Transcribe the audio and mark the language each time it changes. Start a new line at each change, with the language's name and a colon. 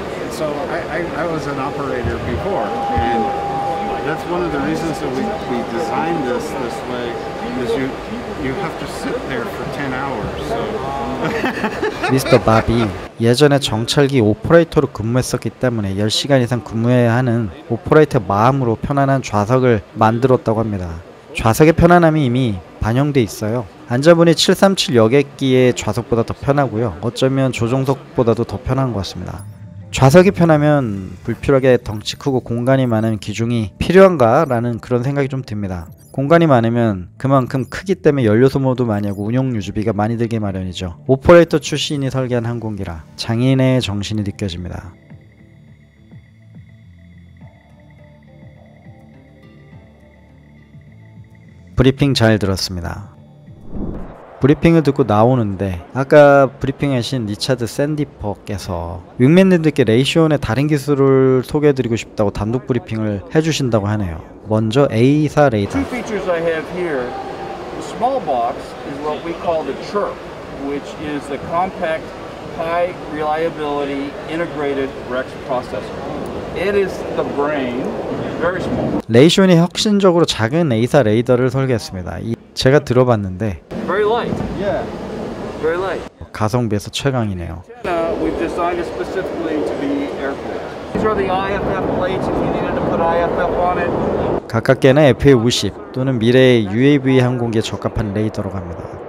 English: So I was an operator before and that's one of the reasons that we designed this way is you have to sit there for 10 hours. So. Mr.
Korean: Bobby 예전에 정찰기 오퍼레이터로 근무했었기 때문에 10시간 이상 근무해야 하는 오퍼레이터 마음으로 편안한 좌석을 만들었다고 합니다. 좌석의 편안함이 이미 반영돼 있어요. 안전분이 737 여객기의 좌석보다 더 편하고요. 어쩌면 조종석보다도 더 편한 것 같습니다. 좌석이 편하면 불필요하게 덩치 크고 공간이 많은 기중이 필요한가 라는 그런 생각이 좀 듭니다. 공간이 많으면 그만큼 크기 때문에 연료 소모도 많이 하고 운용 유지비가 많이 들게 마련이죠. 오퍼레이터 출신이 설계한 항공기라 장인의 정신이 느껴집니다. 브리핑 잘 들었습니다. 브리핑을 듣고 나오는데 아까 브리핑하신 리차드 샌디퍼께서 윙맨님들께 레이시온의 다른 기술을 소개해드리고 싶다고 단독 브리핑을 해주신다고 하네요. 먼저 A4 레이더.
English: Two features I have here. The small box is what we call the CHIRP, which is the compact, high reliability integrated Rex processor. It is the brain. Very small.
Korean: 레이시온이 혁신적으로 작은 A4 레이더를 설계했습니다. 제가 들어봤는데.
English: Very light. Yeah. Very light.
Korean: 가성비에서 최강이네요.
English: We've designed it specifically to be airborne. These are the IFF plates if you needed to put IFF on it.
Korean: 가깝게는 FA-50 또는 미래의 UAV 항공기에 적합한 레이더라고 합니다.